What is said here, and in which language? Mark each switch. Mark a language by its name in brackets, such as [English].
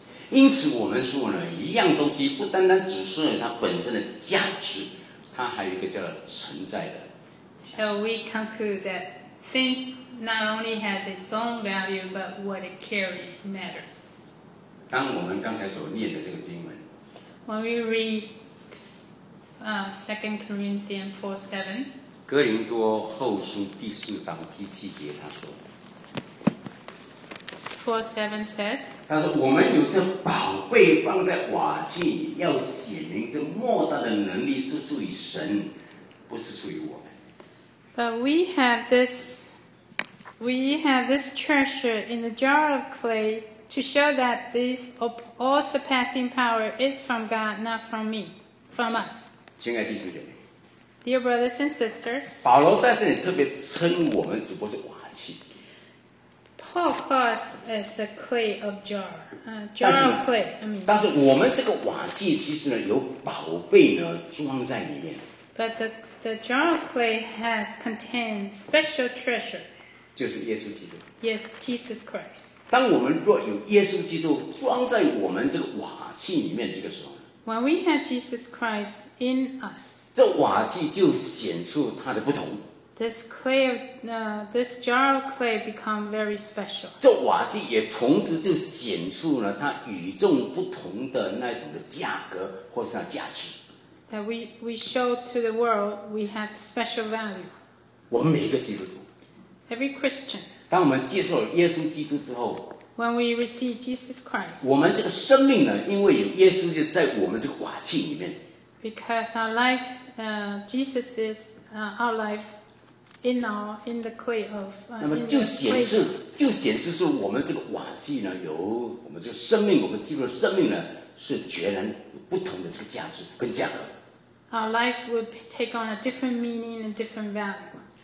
[Chinese] 因此，我们说呢，一样东西不单单只是它本身的价值，它还有一个叫做存在的。 [English] So we conclude that. Things not only has its own value, but what it carries matters. [Chinese] 当我们刚才所念的这个经文 [English] When we read 2 Corinthians 4:7, [Chinese] 哥林多后书第四章第七节他说 [English] 4:7 says, [Chinese] 他说我们有这宝贝放在瓦器里，要显明这莫大的能力是出于神，不是出于我。 [English] But we have this treasure in the jar of clay to show that this all surpassing power is from God, not from me, from us. [Chinese] 亲爱弟兄姐妹 [English] Dear brothers and sisters, [Chinese] 保罗在这里特别称我们只不过是瓦器 [English] Paul calls us a clay of jar of clay. [Chinese] 但是我们这个瓦器其实呢有宝贝呢装在里面 [English] But the jar of clay has contained special treasure. [Chinese] 就是耶稣基督。 [English] Yes, Jesus Christ. [Chinese] 当我们若有耶稣基督装在我们这个瓦器里面这个时候 [English] When we have Jesus Christ in us, [Chinese] 这瓦器就显出它的不同。 [English] This jar of clay become very special. [Chinese] 这瓦器也同时就显出了它与众不同的那种的价格或是它的价值。 [English] That we show to the world we have special value. [Chinese] 我们每一个基督徒 [English] Every Christian. [Chinese] 当我们接受了耶稣基督之后 [English] When we receive Jesus Christ. [Chinese] 我们这个生命呢，因为有耶稣就在我们这个瓦器里面 [English] Because our life, Jesus is our life in the clay of. [Chinese] 那么就显示说我们这个瓦器呢，有我们这个生命，我们基督的生命呢。是决然不同的这个价值跟价格。 [English] Our life would take on a different meaning and different value.